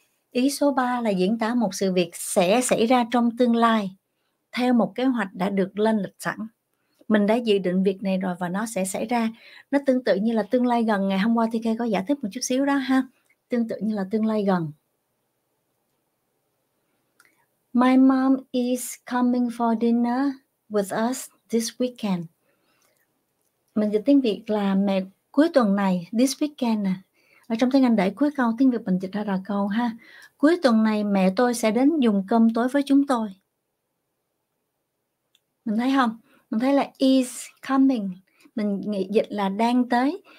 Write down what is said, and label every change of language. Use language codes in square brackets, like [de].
[vi] Ý số 3 là diễn tả một sự việc sẽ xảy ra trong tương lai theo một kế hoạch đã được lên lịch sẵn. Mình đã dự định việc này rồi và nó sẽ xảy ra. Nó tương tự như là tương lai gần. Ngày hôm qua TK có giải thích một chút xíu đó ha. Tương tự như là tương lai gần. [en] My mom is coming for dinner with us this weekend. [vi] Mình dịch tiếng Việt là mẹ cuối tuần này, this weekend nè. Ở trong tiếng Anh để cuối câu, tiếng Việt mình dịch ra là câu ha. Cuối tuần này mẹ tôi sẽ đến dùng cơm tối với chúng tôi. Mình thấy không? Mình thấy là is coming, mình nghĩ dịch là đang tới.